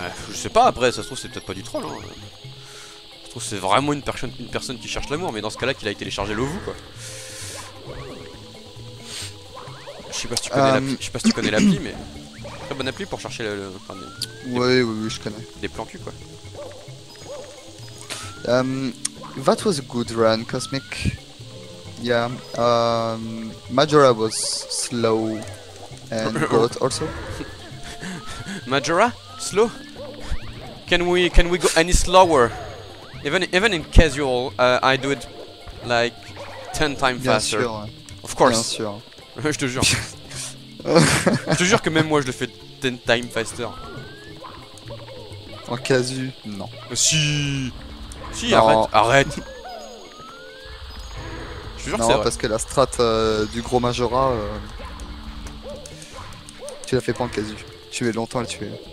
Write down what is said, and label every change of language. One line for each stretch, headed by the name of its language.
French: Je sais pas, après ça se trouve c'est peut-être pas du troll hein. Ça se trouve c'est vraiment une personne, qui cherche l'amour, mais dans ce cas là qu'il a téléchargé l'OVU quoi. Je sais pas si tu connais l'appli, mais très bonne appli pour chercher le enfin, des, ouais, oui, oui, je connais. Des plans cul quoi.
English: That was a good run, Cosmic. Yeah, Majora was slow and goat also. Majora? Slow? Can we go any slower? Even in casual, I do it like 10 times faster.
French: Bien sûr.
English: Of course.
French: Bien sûr. Je te jure. Je te jure que même moi je le fais
English: 10 times faster.
French: En casu, non. Si. Si, non. arrête. Je te jure non, que c'est parce que la strat du gros Majora, tu la fais pas en casu. Tu es longtemps à le tuer.